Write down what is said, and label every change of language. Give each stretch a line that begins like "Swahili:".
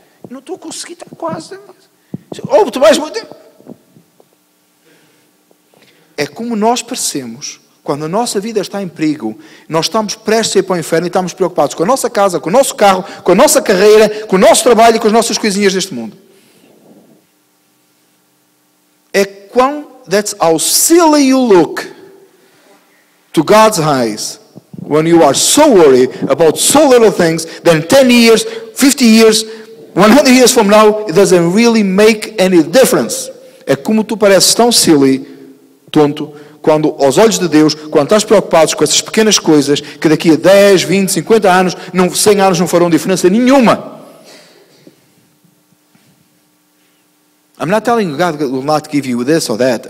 Portuguese: Eu não estou a conseguir, está quase. Ou tu vais morrer. É como nós parecemos. Quando a nossa vida está em perigo, nós estamos prestes a ir para o inferno e estamos preocupados com a nossa casa, com o nosso carro, com a nossa carreira, com o nosso trabalho e com as nossas coisinhas deste mundo. É quão,
English: that's how silly you look to God's eyes when you are so worried about so little things that in 10 years, 50 years, 100 years from now, it doesn't really make any difference.
Portuguese: É como tu pareces tão silly, tonto, quando, aos olhos de Deus, quando estás preocupado com essas pequenas coisas, que daqui a 10, 20, 50 anos, 100 anos não farão diferença nenhuma.
English: I'm not telling God will not give you this or that.